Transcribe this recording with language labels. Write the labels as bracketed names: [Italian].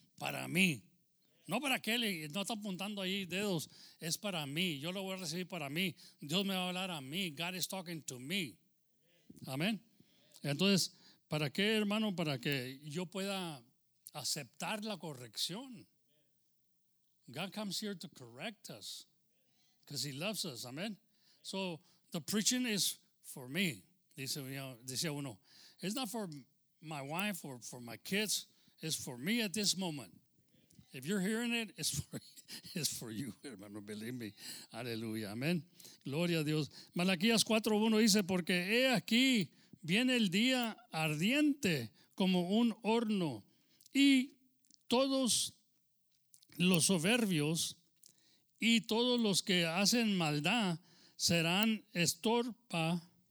[Spanish] Para mí, no para aquel, no está apuntando ahí dedos, es para mí, yo lo voy a recibir para mí, Dios me va a hablar a mí, [English] God is talking to me, [Spanish] amén. Entonces, ¿para qué, hermano? Para que yo pueda aceptar la corrección. [English] God comes here to correct us because he loves us. Amen. So the preaching is for me. [Spanish] Dice, [English] you know, [Spanish] decía uno. [English] It's not for my wife or for my kids. It's for me at this moment. If you're hearing it, it's for you, hermano. Believe me. [Spanish] Aleluya. Amen. Gloria a Dios. Malaquías 4:1 dice, porque he aquí viene el día ardiente como un horno y todos los soberbios y todos los que hacen maldad serán estorpa,